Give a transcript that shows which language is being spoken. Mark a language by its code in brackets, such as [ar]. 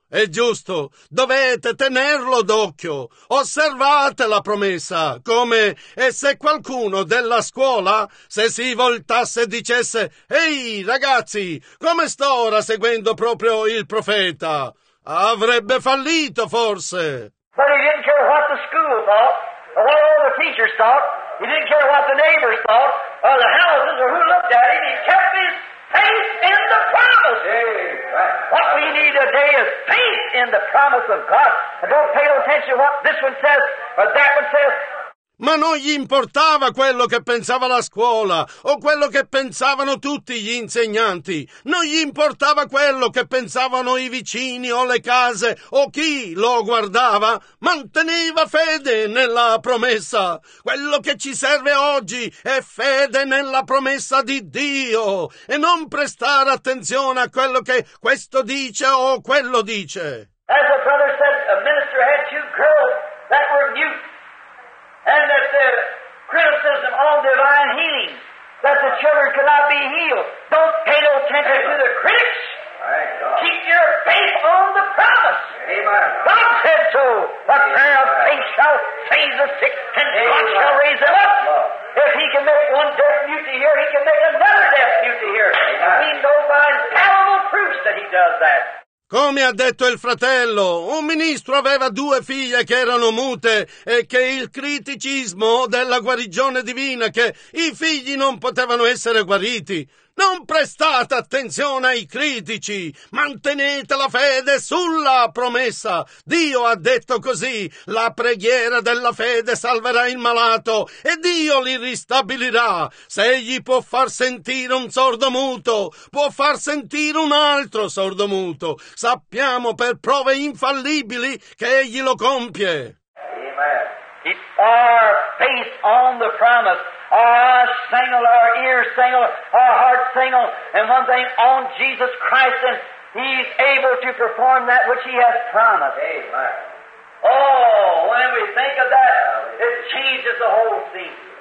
[it] È giusto, dovete tenerlo d'occhio, osservate la promessa, come e se qualcuno della scuola, se si voltasse e dicesse, ehi ragazzi, come sto ora seguendo proprio il profeta? Avrebbe fallito forse. [en] But he didn't care what the school thought. Or what all the teachers thought. He didn't care what the neighbors thought, or the houses, or who looked at him. He kept his faith in the promise. Hey, right. What we need today is faith in the promise of God. And don't pay no attention to what this one says, or that one says. [it] Ma non gli importava quello che pensava la scuola o quello che pensavano tutti gli insegnanti. Non gli importava quello che pensavano i vicini o le case o chi lo guardava. Manteneva fede nella promessa. Quello che ci serve oggi è fede nella promessa di Dio e non prestare attenzione a quello che questo dice o quello dice. [en] As a brother said, a minister had two girls that were mute. And that the criticism on divine healing, that the children cannot be healed. Don't pay no attention to the critics. Keep your faith on the promise. Amen. God said so. A prayer of faith shall save the sick, and God shall raise them up. If he can make one deaf mute to hear, he can make another deaf mute to hear. We know by infallible proofs that he does that. [it] Come ha detto il fratello, un ministro aveva due figlie che erano mute e che il criticismo della guarigione divina che i figli non potevano essere guariti. Non prestate attenzione ai critici, mantenete la fede sulla promessa. Dio ha detto così, la preghiera della fede salverà il malato e Dio li ristabilirà. Se egli può far sentire un sordo muto, può far sentire un altro sordo muto. Sappiamo per prove infallibili che egli lo compie. Amen. [en] It's our faith on the promise. Our eyes single, our ears single, our hearts single, and one thing on Jesus Christ, and he's able to perform that which he has promised. Amen. Oh, when we think of that, it changes the whole scene.